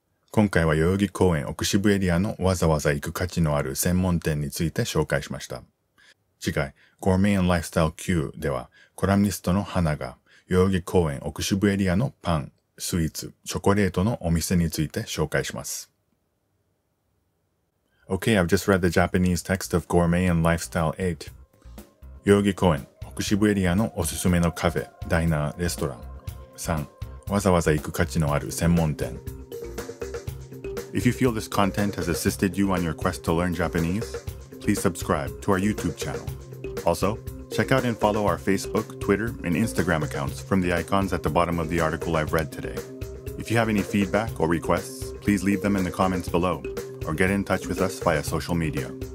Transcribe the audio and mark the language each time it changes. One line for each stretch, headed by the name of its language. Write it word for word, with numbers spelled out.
Japanese: 今回は代々木公園奥渋エリアのわざわざ行く価値のある専門店について紹介しました。次回、ゴーメンライフスタイル Q では、コラムニストの花が代々木公園奥渋エリアのパン、スイーツ、チョコレートのお店について紹介します。
English: Okay, I've just read the Japanese text of Gourmet and Lifestyle eight.
Japanese: 代々木公園、奥渋エリアのおすすめのカフェ、ダイナー、レストラン。さん. わざわざ行く価値のある専門店。
English: If you feel this content has assisted you on your quest to learn Japanese, please subscribe to our YouTube channel. Also, check out and follow our Facebook, Twitter, and Instagram accounts from the icons at the bottom of the article I've read today. If you have any feedback or requests, please leave them in the comments below, or get in touch with us via social media.